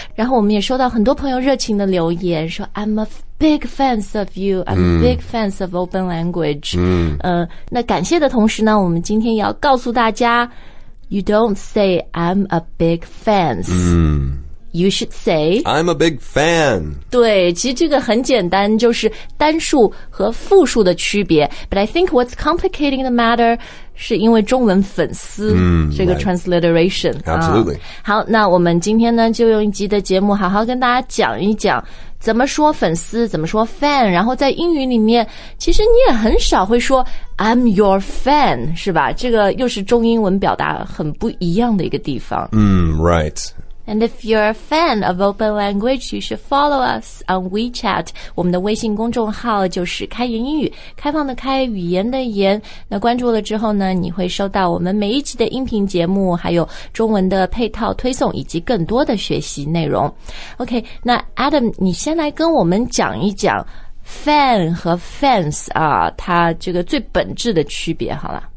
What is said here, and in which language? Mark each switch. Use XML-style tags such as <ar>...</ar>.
<zh>然后我们也收到很多朋友热情的留言说</zh> <en>I'm a big fans of you, I'm a big fans of open language.</en> <zh>那感谢的同时呢我们今天也要告诉大家</zh> <en>You don't say I'm a big fans. You should say, I'm a big fan.</en> <zh>对，其实这个很简单，就是单数和复数的区别。</zh> <en>But I think what's complicating the matter</en> <zh>是因为中文粉丝这个</zh> <en>transliteration. Absolutely.</en> <zh>好，那我们今天呢就用一集的节目好好跟大家讲一讲怎么说粉丝，怎么说 fan, 然后在英语里面其实你也很少会说</zh> <en>I'm your fan,</en> <zh>是吧？这个又是中英文表达很不一样的一个地方。</zh> <en>Right. And if you're a fan of open language, you should follow us on WeChat.</en> <zh>我们的微信公众号就是开言英语，开放的开，语言的言。那关注了之后呢，你会收到我们每一集的音频节目，还有中文的配套推送，以及更多的学习内容。 OK, 那 Adam, 你先来跟我们讲一讲 fan 和 fans 啊，它这个最本质的区别好了。</zh>